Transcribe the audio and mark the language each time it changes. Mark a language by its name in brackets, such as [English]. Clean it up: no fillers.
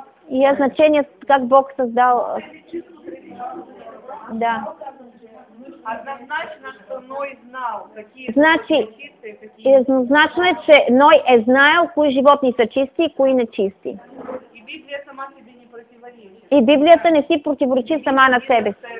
[Bulgarian] И е значение как Бог създал... Да. [Russian] Однозначно, что Ной знал, какие животные чистые, какие нечистые. [Bulgarian] Еднозначно е, че Ной е знаел, кои животни са чисти и кои не чисти. [Russian] И Библия сама себе не противоречит. [Bulgarian] И Библията не си противоречи сама на себе си.